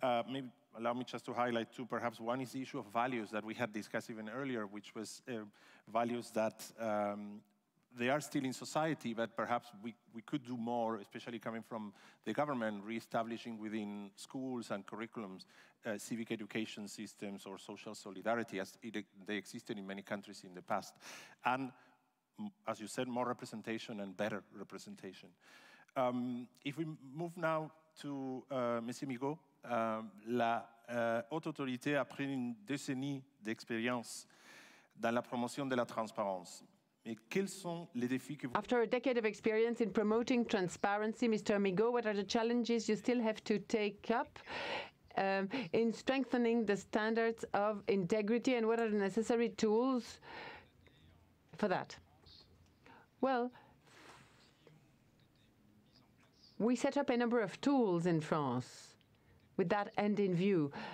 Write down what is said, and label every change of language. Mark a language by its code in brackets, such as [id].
[en] Maybe allow me just to highlight two. Perhaps one is the issue of values that we had discussed even earlier, which was values that they are still in society, but perhaps we could do more, especially coming from the government, reestablishing within schools and curriculums civic education systems or social solidarity as they existed in many countries in the past. And as you said, more representation and better representation. If we move now to Monsieur Migaud, [fr] la haute autorité a pris une décennie d'expérience dans la promotion de la transparence. Mais quels sont les défis que vous... [en] After a decade of experience in promoting transparency, Mr. Migaud, what are the challenges you still have to take up in strengthening the standards of integrity, and what are the necessary tools for that? Well, we set up a number of tools in France with that end in view.